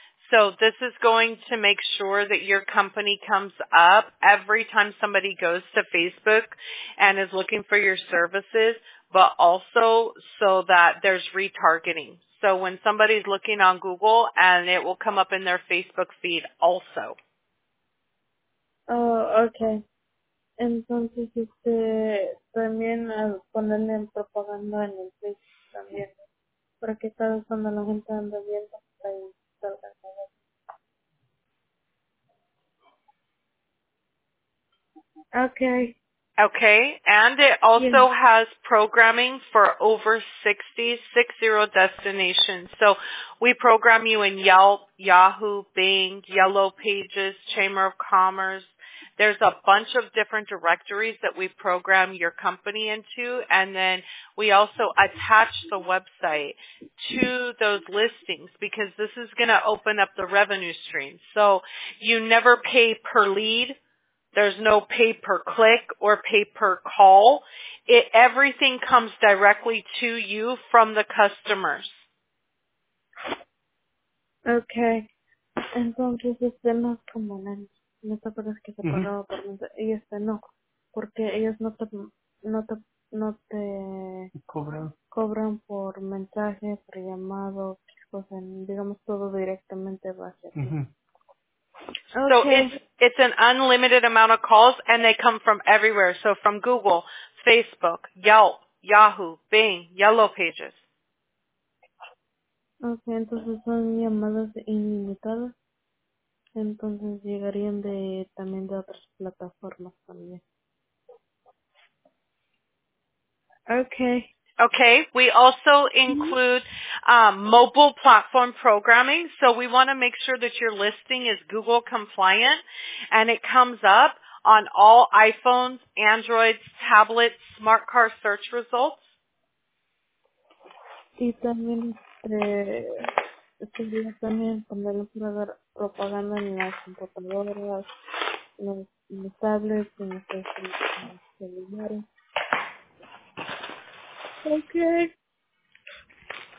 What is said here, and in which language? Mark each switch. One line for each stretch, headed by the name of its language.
English: So this is going to make sure that your company comes up every time somebody goes to Facebook and is looking for your services, but also so that there's retargeting. So when somebody's looking on Google, and it will come up in their Facebook feed also. Oh, okay.
Spanish: Entonces, también ponerle en propaganda en el Facebook también, para que tal vez cuando la gente anda viendo, ahí salga a ver.
English: Okay. Okay, and it also yeah. has programming for over 60 destinations. So we program you in Yelp, Yahoo, Bing, Yellow Pages, Chamber of Commerce. There's a bunch of different directories that we program your company into, and then we also attach the website to those listings because this is going to open up the revenue stream. So you never pay per lead. There's no pay-per-click or pay-per-call. Everything comes directly to you from the customers. Okay.
Spanish: Entonces, no es como no te acuerdas que te pagaba por mensaje. Y no. Porque ellos no te cobran por mensaje, por llamado, digamos todo directamente va hacia ti.
English: So okay. it's an unlimited amount of calls, and they come from everywhere. So from Google, Facebook, Yelp, Yahoo, Bing, Yellow Pages.
Spanish: Okay, entonces son llamadas ilimitadas. Entonces llegarían también de otras plataformas también.
English: Okay. Okay, we also include mobile platform programming. So we want to make sure that your listing is Google compliant and it comes up on all iPhones, Androids, tablets, smart car search results.
Spanish: Y también sería también poner propaganda en las computadoras, en los tablets, en los celulares.
English: Okay.